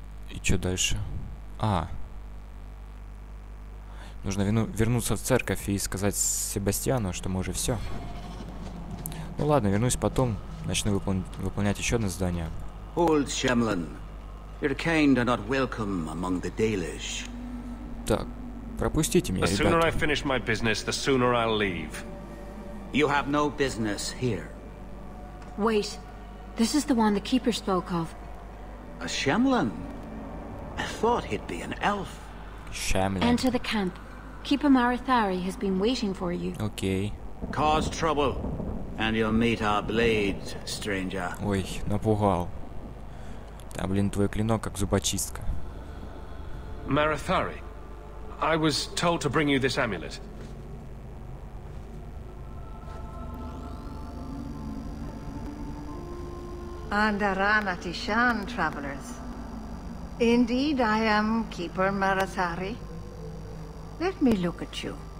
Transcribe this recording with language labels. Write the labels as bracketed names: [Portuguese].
[Russian] И что дальше? А. Нужно вернуться в церковь и сказать Себастьяну, что мы уже все. Ну ладно, вернусь потом. Начну выполнять еще одно задание. [English] Old Shemlin. Your kind are not welcome among the Dalish. [Russian] Так, пропустите меня, ребята. [English] The sooner I finish my business, the sooner I'll leave. You have no business here. Wait. This is the one the keeper spoke of. A Shemlin? I thought he'd be an elf. Shemlin. Enter the camp. Keeper Marathari has been waiting for you. Okay. Cause trouble, and you'll meet our blades, stranger. [Russian] Ой, напугал. Да блин, твой клинок как зубочистка. [English] Marathari, I was told to bring you this amulet. Andaranatishan, travelers. Indeed, I am Keeper Marathari. Let me look at you.